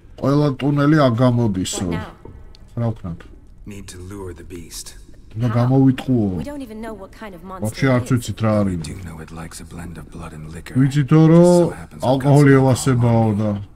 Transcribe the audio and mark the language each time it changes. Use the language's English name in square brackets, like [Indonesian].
[Georgian] ყველა ტუნელი აგამოდისო. რა ვქნათ? [English] Need to lure the beast. [Georgian] და გამოვიტყუო. [English] We don't even know what kind of monster. [Russian] Вообще [Georgian] არ ვიცით რა არის. [English] You know it likes a blend of blood and liquor. [Georgian] ვიცით რომ ალკოჰოლი ევასებაო და.